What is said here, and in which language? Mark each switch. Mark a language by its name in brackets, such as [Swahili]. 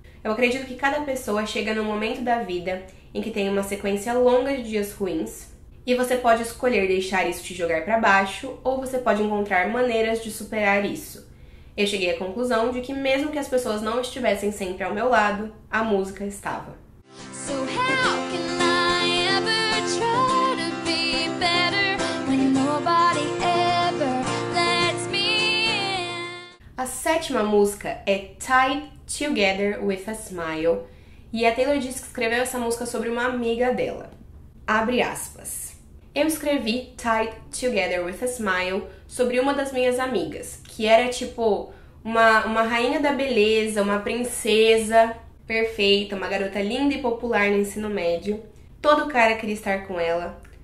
[Portuguese] Eu acredito que cada pessoa chega num momento da vida em que tem uma sequência longa de dias ruins e você pode escolher deixar isso te jogar para baixo ou você pode encontrar maneiras de superar isso. Eu cheguei à conclusão de que mesmo que as pessoas não estivessem sempre ao meu lado, a música estava." [English] So how can I ever try to be better when nobody ever lets me in? [Portuguese] A sétima música é Tight Together with a Smile, e a Taylor diz que escreveu essa música sobre uma amiga dela. Abre aspas, "Eu escrevi Tight Together with a Smile sobre uma das minhas amigas, que era tipo uma rainha da beleza, uma princesa perfeita, uma garota linda e popular no ensino médio. Todo cara queria estar com ela,